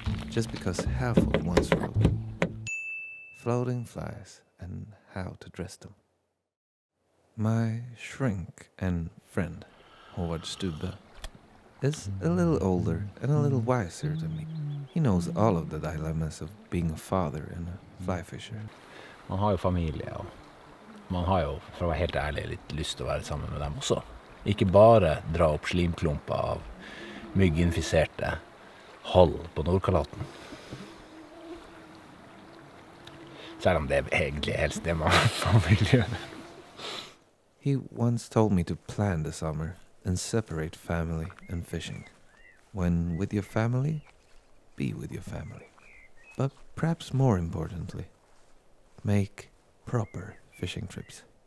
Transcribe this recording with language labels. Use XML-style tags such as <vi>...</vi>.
<en>Just because Halford once wrote floating flies and how to dress them. My shrink and friend, Håvard Stubö, is a little older and a little wiser than me. He knows all of the dilemmas of being a father and a fly fisher.</en> <sv>Man har ju familj och man har ju för att vara helt ärlig lite lust att vara tillsammans med dem också. Inte bara dra upp slimklumpar av mygginfekterade håll på Nordkalotten. Så om det är egentligen helst det man familjen.</sv> <en>He once told me to plan the summer and separate family and fishing. When with your family, be with your family. But perhaps more importantly, make proper fishing trips.</en>